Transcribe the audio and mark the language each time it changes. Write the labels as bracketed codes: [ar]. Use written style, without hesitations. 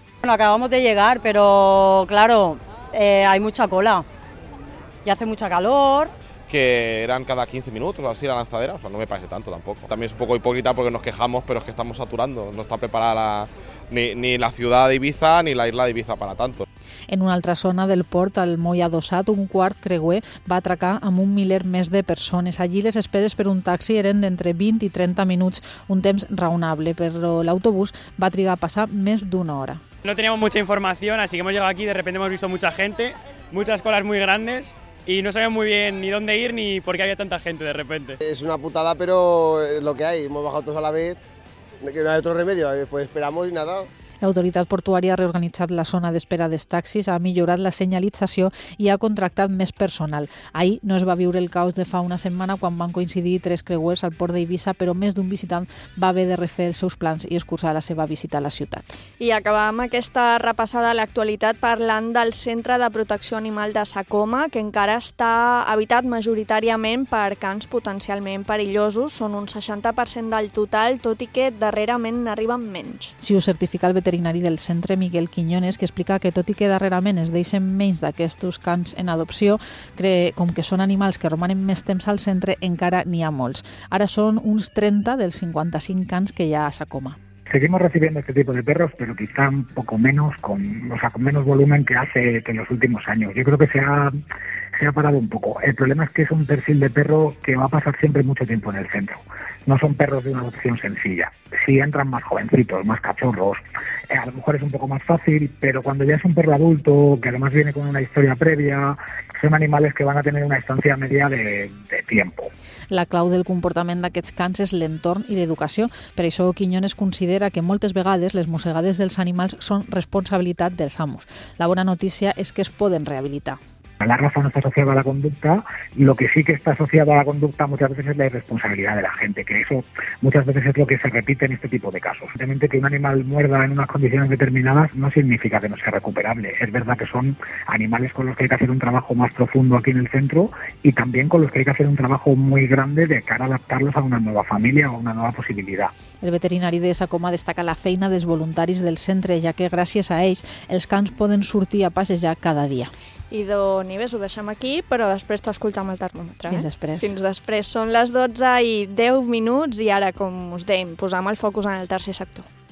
[es] Bueno, acabamos de llegar, pero claro, hay mucha cola y hace mucha calor. Que eran cada 15 minutos o así la lanzadera, o sea, no me parece tanto tampoco. También es un poco hipócrita porque nos quejamos, pero es que estamos saturando, no está preparada ni la ciudad de Eivissa ni la isla de Eivissa para tanto. [ca] En una altra zona del port, al moll adossat, un quart creuer va atracar amb un miler més de persones. Allí les esperes per un taxi eren d'entre 20 i 30 minuts, un temps raonable, però l'autobús va trigar a passar més d'una hora. [es] No teníamos mucha información, así que hemos llegado aquí, de repente hemos visto mucha gente, muchas colas muy grandes. Y no sabía muy bien ni dónde ir ni por qué había tanta gente de repente. Es una putada, pero es lo que hay. Hemos bajado todos a la vez, que no hay otro remedio. Después esperamos y nada. [ca] L'autoritat portuària ha reorganitzat la zona d'espera dels taxis, ha millorat la senyalització i ha contractat més personal. Ahir no es va viure el caos de fa una setmana quan van coincidir 3 creuers al port d'Eivissa, però més d'un visitant va haver de refer els seus plans i excusar la seva visita a la ciutat. I acabem aquesta repassada a l'actualitat parlant del Centre de Protecció Animal de Sacoma, que encara està habitat majoritàriament per cans potencialment perillosos. Són un 60% del total, tot i que darrerament n'arriben menys. Si ho certifica el veterinari del centre, Miguel Quiñones, que explica que tot i que darrerament es deixen menys d'aquests cans en adopció, cree, com que són animals que romanen més temps al centre, encara n'hi ha molts. Ara són uns 30 dels 55 cans que hi ha a Sacoma. [es] Seguimos recibiendo este tipo de perros, pero quizá un poco menos, con menos volumen que hace que en los últimos años. Yo creo que se ha parado un poco. El problema es que es un perfil de perro que va a pasar siempre mucho tiempo en el centro. No son perros de una adopción sencilla. Si entran más jovencitos, más cachorros, a lo mejor es un poco más fácil, pero cuando ya es un perro adulto, que además viene con una historia previa, [ca] són animals que van a tenir una estància media de temps. La clau del comportament d'aquests cans és l'entorn i l'educació. Per això Quiñones considera que moltes vegades les mossegades dels animals són responsabilitat dels amos. La bona notícia és que es poden rehabilitar. La raça no està associada a la conducta, [es] lo que sí que està associada a la conducta muchas veces es la irresponsabilidad de la gente, que eso muchas veces es lo que se repite en este tipo de casos. Evidentemente que un animal muerda en unas condiciones determinadas no significa que no sea recuperable. Es verdad que son animales con los que hay que hacer un trabajo más profundo aquí en el centro y también con los que hay que hacer un trabajo muy grande de cara a adaptarlos a una nueva familia o a una nueva posibilidad. [ca] El veterinari de Sacoma destaca la feina dels voluntaris del centre, ja que gràcies a ells els cans poden sortir a passejar cada dia. Idò, Nives, ho deixem aquí, però després t'escoltam el termòmetre. Fins després. Fins després. Són les 12 i 10 minuts i ara, com us dèiem, posam el focus en el tercer sector.